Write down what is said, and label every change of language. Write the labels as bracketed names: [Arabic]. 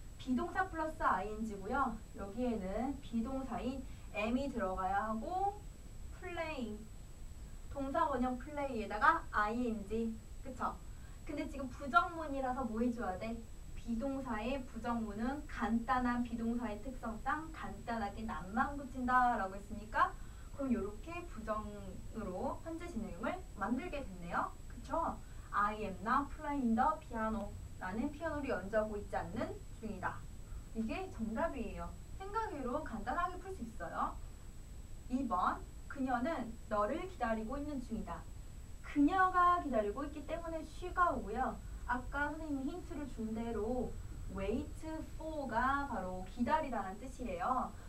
[Korean] 비동사 플러스 ing고요. 여기에는 비동사인 am이 들어가야 하고 play 동사 원형 play에다가 ing 그쵸? 근데 지금 부정문이라서 뭐 해줘야 돼? 비동사의 부정문은 간단한 비동사의 특성상 간단하게 낱만 붙인다 라고 했으니까 그럼 이렇게 부정으로 현재 진행형을 만들게 됐네요. 그쵸? [English] I am not playing the piano. [Korean] 나는 피아노를 연주하고 있지 않는 중이다. 이게 정답이에요. 생각으로 간단하게 풀 수 있어요. 2번, 그녀는 너를 기다리고 있는 중이다. 그녀가 기다리고 있기 때문에 she가 오고요. 아까 선생님이 힌트를 준 대로 wait for가 바로 기다리다라는 뜻이래요.